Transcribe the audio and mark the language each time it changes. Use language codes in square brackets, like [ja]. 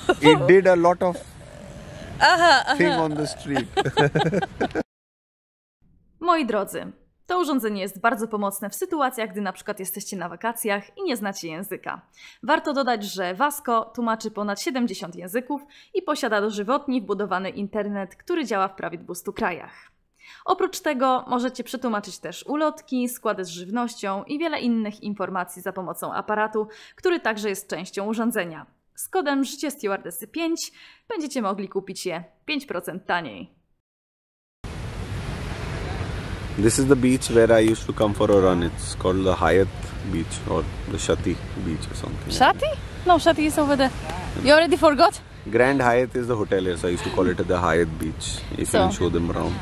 [en] It did a lot of thing on the street. [pl] Moi drodzy, to urządzenie jest bardzo pomocne w sytuacjach, gdy na przykład jesteście na wakacjach i nie znacie języka. Warto dodać, że Vasco tłumaczy ponad 70 języków i posiada dożywotni wbudowany internet, który działa w prawie 200 krajach. Oprócz tego możecie przetłumaczyć też ulotki, składy z żywnością i wiele innych informacji za pomocą aparatu, który także jest częścią urządzenia. Z kodem życie stewardessy 5 będziecie mogli kupić je 5% taniej. [en] This is the beach where I used to come for a run. It's called the Hyatt Beach or the Shati Beach or something. Shati? No, Shati is over there. You already forgot? Grand Hyatt is the hotel here, so I used to call it the Hyatt Beach. If you can show them around.